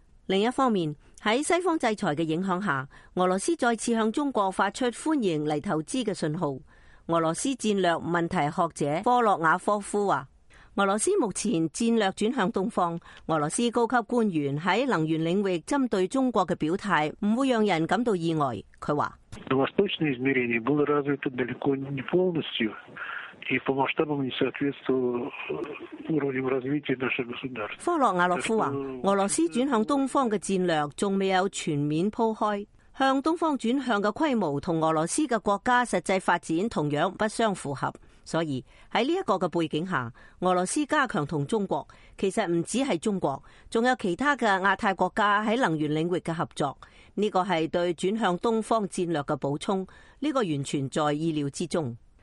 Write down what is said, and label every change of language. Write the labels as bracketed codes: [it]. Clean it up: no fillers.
[zh] 另一方面，在西方制裁的影响下，俄罗斯再次向中国发出欢迎来投资的信号。俄罗斯战略问题学者科洛瓦科夫说，俄罗斯目前战略转向东方，俄罗斯高级官员在能源领域针对中国的表态不会让人感到意外。他说 [ru] восточное измерение было развито далеко не полностью и по масштабам не соответствовало уровням развития нашего государства。 [zh] 科洛瓦科夫说俄罗斯转向东方的战略还没有全面铺开，向东方转向的规模和俄罗斯的国家实际发展同样不相符合，所以在这个背景下，俄罗斯加强和中国，其实不只是中国，还有其他的亚太国家在能源领域的合作，这个是对转向东方战略的补充，这个完全在意料之中。